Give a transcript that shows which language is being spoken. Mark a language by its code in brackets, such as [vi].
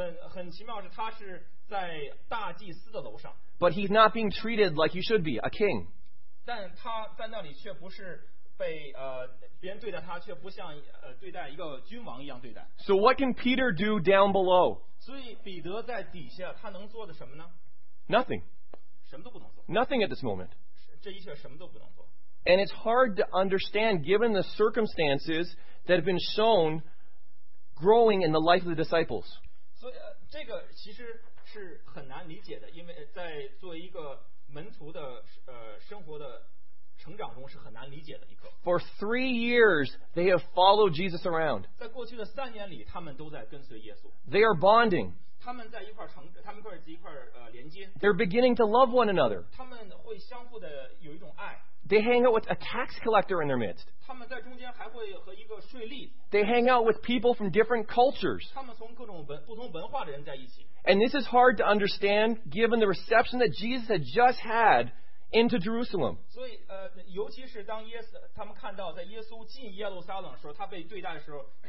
[zh] 很奇妙的是，他是在大祭司的楼上。 [en] But he's not being treated like he should be, a king. [zh] 但他在那里却不是被别人对待他，却不像对待一个君王一样对待。 [en] So what can Peter do down below? [zh] 所以彼得在底下，他能做的什么呢？ [en] Nothing. [zh] 什么都不能做。 [en] Nothing at this moment. [zh] 这一切什么都不能做。 [en] And it's hard to understand given the circumstances that have been shown growing in the life of the disciples. [zh] 所以这个其实是很难理解的，因为在作为一个门徒的生活的成长中是很难理解的一个。 [en] For 3 years, they have followed Jesus around. [zh] 在过去的三年里，他们都在跟随耶稣。 [en] They are bonding. [zh] 他们在一块成，他们一块连接。 [en] They're beginning to love one another. [zh] 他们会相互的有一种爱。 [en] They hang out with a tax collector in their midst. [zh] 他们在中间还会和一个税吏。 [en] They hang out with people from different cultures. [zh] 他们从各种不同文化的人在一起。 [en] And this is hard to understand given the reception that Jesus had just had into Jerusalem. [zh] 所以尤其是当耶稣，他们看到在耶稣进耶路撒冷的时候，他被对待的时候。